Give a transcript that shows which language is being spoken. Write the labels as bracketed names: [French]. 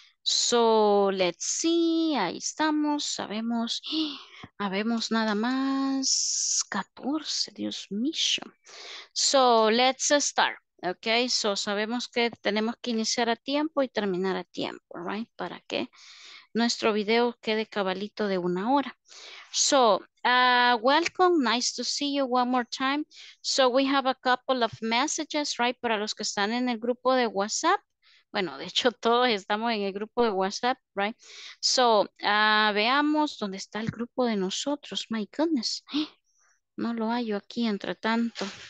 [English] So, let's see, [Spanish] ahí estamos, sabemos, habemos nada más 14, Dios mío. [English] So, let's start, [Spanish] ok, so sabemos que tenemos que iniciar a tiempo y terminar a tiempo, right, para que nuestro video quede cabalito de una hora. [English] So, welcome, nice to see you one more time. So, we have a couple of messages, right, [Spanish] para los que están en el grupo de WhatsApp. Bueno, de hecho, todos estamos en el grupo de WhatsApp, right? So, veamos dónde está el grupo de nosotros. [English] My goodness. [Spanish] No lo hallo aquí entre tanto.